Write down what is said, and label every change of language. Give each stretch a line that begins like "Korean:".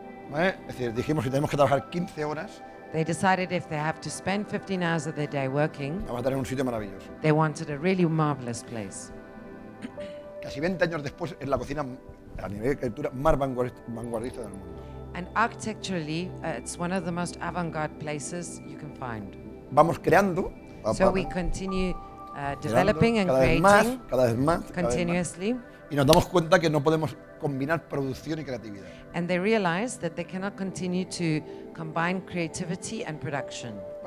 Spanish: ¿Vale? Es decir, dijimos que tenemos que trabajar 15 horas.
English: They decided if they have to spend 15 hours of their day working,
Spanish: vamos a tener un sitio maravilloso.
English: They wanted a really marvelous place.
Spanish: Casi 20 años después, es la cocina a nivel de arquitectura más vanguardista del mundo.
English: And architecturally, it's one of the most avant-garde places you can find.
Spanish: Vamos creando.
English: So we continue developing and creating.
Spanish: Cada vez más, continuously. Y nos damos cuenta que no podemos combinar producción y creatividad.
English: And they realize that they cannot continue to combine creativity and production.